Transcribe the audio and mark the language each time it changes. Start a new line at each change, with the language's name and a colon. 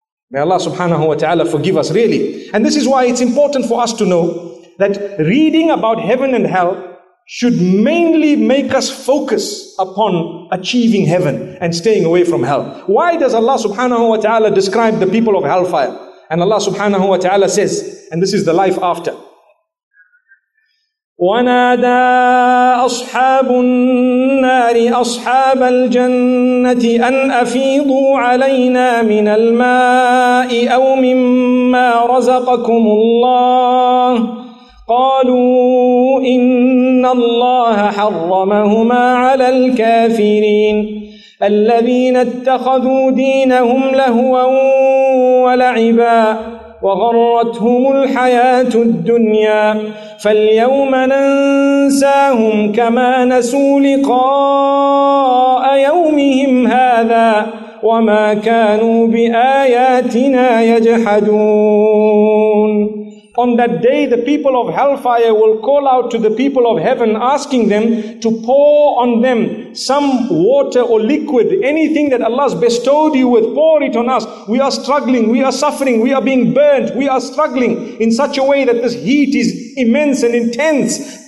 English: May Allah subhanahu wa ta'ala forgive us, really. And this is why it's important for us to know that reading about heaven and hell should mainly make us focus upon achieving heaven and staying away from hell. Why does Allah subhanahu wa ta'ala describe the people of hellfire? And Allah subhanahu wa ta'ala says, and this is the life after.
Arabic: وَنَادَى أَصْحَابُ النَّارِ أَصْحَابَ الْجَنَّةِ أَنْ أَفِيضُوا عَلَيْنَا مِنَ الْمَاءِ أَوْ مِمَّا رَزَقَكُمُ اللَّهِ قَالُوا إِنَّ اللَّهَ حَرَّمَهُمَا عَلَى الْكَافِرِينَ الَّذِينَ اتَّخَذُوا دِينَهُمْ لَهُوًا وَلَعِبًا وغرتهم الحياة الدنيا فاليوم ننساهم كما نسوا لقاء يومهم هذا وما كانوا بآياتنا يجحدون.
English: On that day, the people of hellfire will call out to the people of heaven, asking them to pour on them some water or liquid, anything that Allah has bestowed you with, pour it on us. We are struggling, we are suffering, we are being burnt, we are struggling in such a way that this heat is immense and intense.